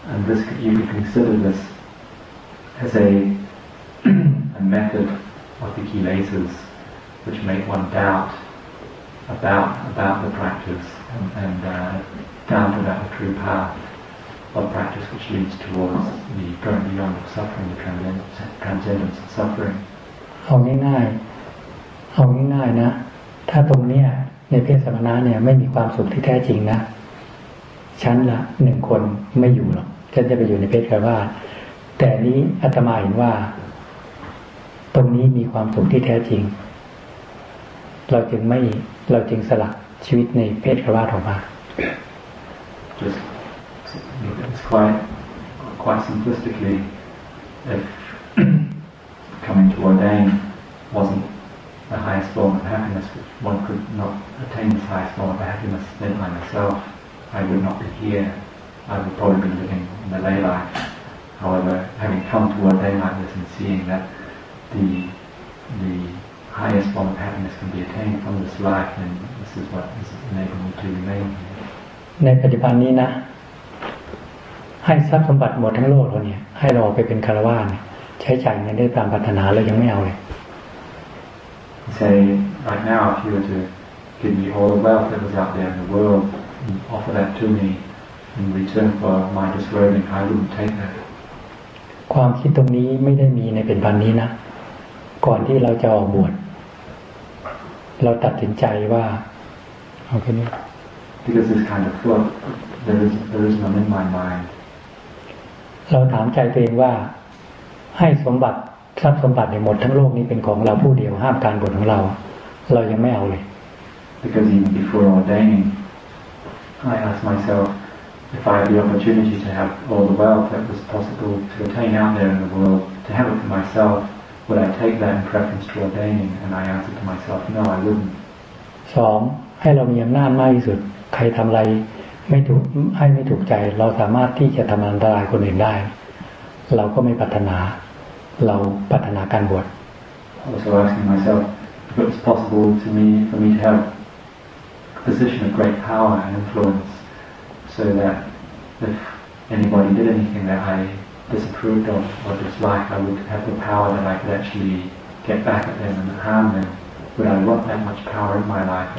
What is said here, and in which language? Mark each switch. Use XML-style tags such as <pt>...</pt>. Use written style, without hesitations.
<en>and this you can consider this as a method of the kilesas which make one doubt about the practiceDown to that true path of practice, which leads towards the going beyond of suffering, the transcendence of suffering.</en> <th>เอาง่ายๆเอาง่ายๆนะถ้าตรงเนี้ยในเพศสมณะเนี่ยไม่มีความสุขที่แท้จริงนะฉันละหนึ่งคนไม่อยู่หรอกฉันจะไปอยู่ในเพศคารวาสแต่นี้อาตมาเห็นว่าตรงนี้มีความสุขที่แท้จริงเราจึงสละชีวิตในเพศคารวาสออกมา</th> <en>Just quite simplistically, if coming to ordain wasn't the highest form of happiness, one could not attain this highest form of happiness. Then, by myself, I would not be here. I would probably be living in the lay life. However, having come to ordain like this and seeing that the highest form of happiness can be attained from this life, then this is what has enabled me to remain.</en> <th>ในปัจจุบันนี้นะให้ทรัพย์สมบัติหมดทั้งโลกเราเนี่ยให้เราไปเป็นคารวาสใช้จ่ายเงินได้ตามปรารถนาเรายังไม่เอาเลย</th> <en>Say right now if you were to give me all the wealth that was out there in the world and offer that to me in return for my disrobing I wouldn't take that</en> <th>ความคิดตรงนี้ไม่ได้มีในปัจจุบันนี้นะก่อนที่เราจะออกบวชเราตัดสินใจว่าโอเคนี้</th> <en>Because this kind of thought, there is none in my mind.</en> <th>เราถามใจตัวเองว่าให้สมบัติทรัพย์สมบัติในหมดทั้งโลกนี้เป็นของเราผู้เดียวห้ามการบวชของเราเรายังไม่เอาเลย</th> <en>Because even before ordaining, I asked myself if I had the opportunity to have all the wealth that was possible to attain out there in the world to have it for myself, would I take that in preference to ordaining? And I answered to myself, no, I wouldn't.</en> <th>สองให้เรามีอำนาจมากที่สุดใครทำอะไรไม่ถูกให้ไม่ถูกใจเราสามารถที่จะทำอันตรายคนอื่นได้เราก็ไม่ปรารถนาเราปรารถนาการบวช</th> <en>Also asking myself if it's possible to me for me to have a position of great power and influence so that if anybody did anything that I disapproved of or disliked I would have the power that I could actually get back at them and harm themWould I want that much power in my life?</en>